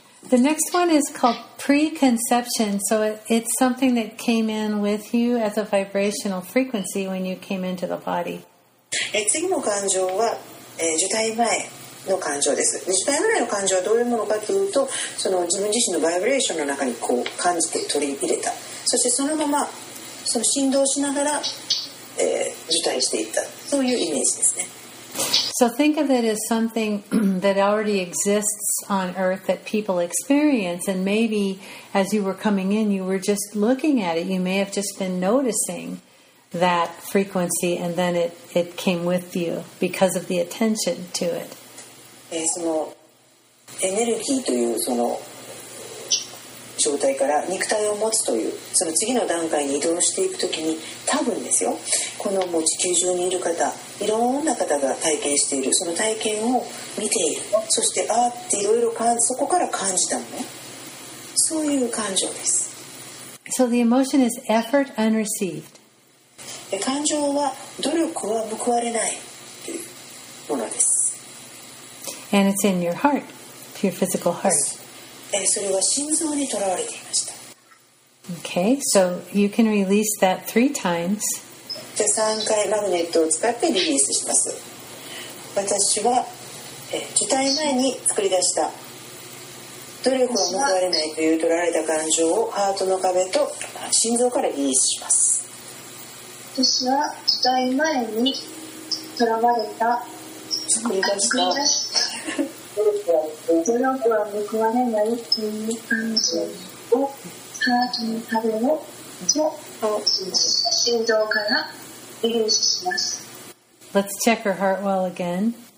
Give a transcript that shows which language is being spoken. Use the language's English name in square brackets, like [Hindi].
[English] The next one is called preconception. So it's something that came in with you as a vibrational frequency when you came into the body. [Japanese] 次の感情は、受胎前の感情です。受胎前の感情はどういうものかというと、その自分自身のバイブレーションの中にこう感じて取り入れた。そしてそのままその振動しながら、受胎していった。そういうイメージですね。 [English] So think of it as something that already exists on earth that people experience, and maybe as you were coming in, you were just looking at it. You may have just been noticing that frequency, and then it came with you because of the attention to it. [Japanese] そのエネルギーというその状態から肉体を持つというその次の段階に移動していくときに多分ですよ、このもう地球上にいる方、いろんな方が体験しているその体験を見ている、そしてあーっていろいろそこから感じたのね、そういう感情です。 [English] So the emotion is effort unreceived. [Japanese] 感情は努力は報われないというものです。 [English] And it's in your heart, your physical heart. [Japanese] それは心臓にとらわれていました。 [English] Okay, so you can release that three times. [Japanese] で3回マグネットを使ってリリースします。私は受胎前に作り出した、努力を報われないという取られた感情をハートの壁と心臓からリリースします。私は受胎前に取られた、作り出した、努力は報われないという感情をハートの壁をと心臓からリリースします。 [English] Let's check her heart well again.